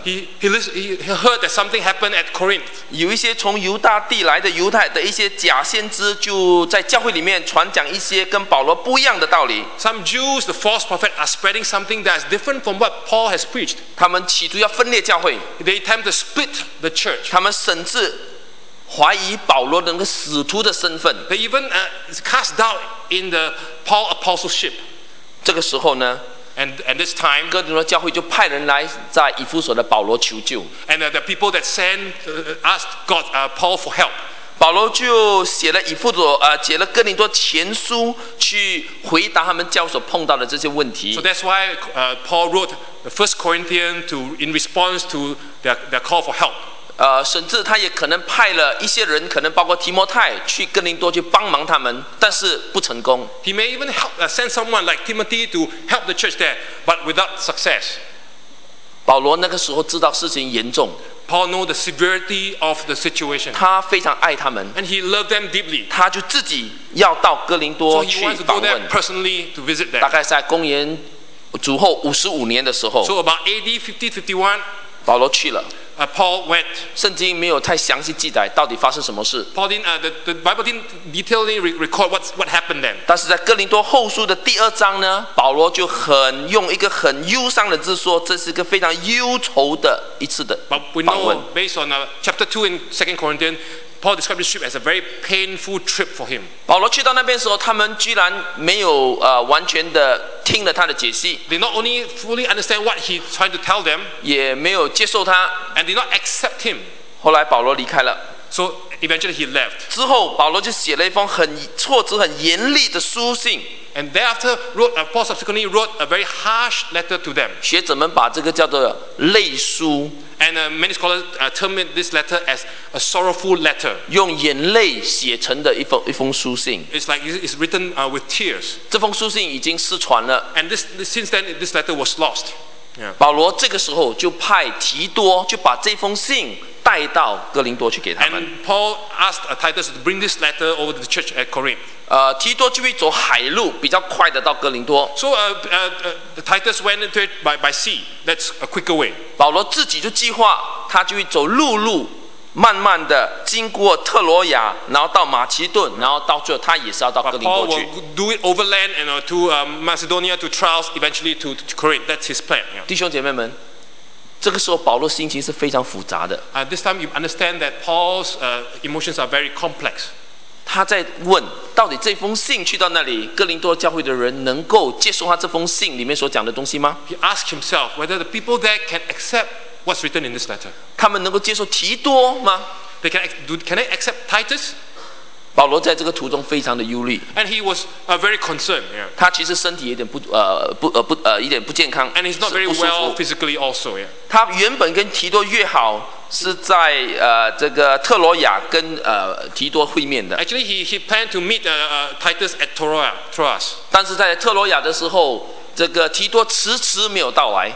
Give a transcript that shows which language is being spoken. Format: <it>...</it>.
<en>He heard that something happened at Corinth.</en> <zh>有一些从犹大地来的犹太的一些假先知，就在教会里面传讲一些跟保罗不一样的道理。</zh> <en>Some Jews, the false prophet, are spreading something that is different from what Paul has preached.</en> <zh>他们企图要分裂教会。</zh> <en>They attempt to split the church.</en> <zh>他们甚至怀疑保罗的那个使徒的身份。</zh> <en>They even cast doubt in the Paul apostleship.</en> <zh>这个时候呢？</zh> <en>And this time,</en> <zh>哥林多教会就派人来在以弗所的保罗求救。</zh> <en>And the people that sent asked God, Paul for help.</en> <zh>保罗就写了以弗所写了哥林多前书，去回答他们教会所碰到的这些问题。</zh> <en>So that's why Paul wrote the First Corinthians to in response to their call for help.</en> <zh>甚至他也可能派了一些人，可能包括提摩太去哥林多去帮忙他们，但是不成功。</zh> <en>He may even help, send someone like Timothy to help the church there, but without success.</en> <zh>保罗那个时候知道事情严重。</zh> <en>Paul knew the severity of the situation.</en> <zh>他非常爱他们。</zh> <en>And he loved them deeply.</en> <zh>他就自己要到哥林多去访问。</zh> <en>So he wants to go there personally to visit them.</en> <zh>大概在公元主后55年的时候。</zh> <en>So about AD 50-51,</en> <zh>保罗去了。</zh> <en>Paul went.</en> <zh>圣经没有太详细记载到底发生什么事。</zh> <en>Paul didn't, the Bible didn't detailly record what happened then.</en> <zh>但是在哥林多后书的第二章呢，保罗就很用一个很忧伤的字说，这是一个非常忧愁的一次的访问。</zh> <en>But we know based on chapter 2 in 2 Corinthians, Paul described this trip as a very painful trip for him.</en> <zh>保罗去到那边的时候，他们居然没有完全的。听了他的解释</zh> <en>，They not only fully understand what he tried to tell them，</en> <zh>也没有接受他</zh> <en>，and did not accept him。</en> <zh>后来保罗离开了</zh> <en>，so eventually he left。</en> <zh>之后保罗就写了一封很挫折、很严厉的书信</zh> <en>，and thereafter wrote a Paul subsequently wrote a very harsh letter to them。</en> <zh>学者们把这个叫做泪书</zh> <en>，and many scholars termed this letter as a sorrowful letter，</en> <zh>用眼泪写成的一封书信。</zh> <en>It's like it's written with tears。</en> <zh>这封书信已经失传。</zh> <en>And since then, this letter was lost. Yeah.</en> <zh>保罗这个时候就派提多就把这封信带到哥林多去给他们。</zh> <en>And Paul asked Titus to bring this letter over to the church at Corinth.</en> <zh>提多就会走海路，比较快的到哥林多。</zh> <en>So Titus went into it by sea. That's a quicker way.</en> <zh>保罗自己就计划，他就会走陆路。慢慢的经过特罗亚，然后到马其顿，然后到最后他也是要到哥林多去。</zh> <en>But Paul will do it overland and to Macedonia to Troas, eventually to Corinth. That's his plan.</en> <zh>弟兄姐妹们，这个时候保罗心情是非常复杂的。</zh> <en>This time you understand that Paul's emotions are very complex.</en> <zh>他在问，到底这封信去到那里哥林多教会的人能够接受他这封信里面所讲的东西吗</zh> <en>？He asks himself whether the people there can accept. What's written in this letter?</en> <zh>他们能够接受提多吗</zh> <en>？They can they accept Titus?</en> <zh>保罗在这个途中非常的忧虑。</zh> <en>And he was very concerned. Yeah.</en> <zh>他其实身体有点一点不健康。</zh> <en>And he's not very well physically also. Yeah.</en> <zh>他原本跟提多约好是在这个特罗亚跟提多会面的。</zh> <en>Actually, he planned to meet Titus at Troas.</en> <zh>但是在特罗亚的时候，这个提多迟迟没有到来。</zh>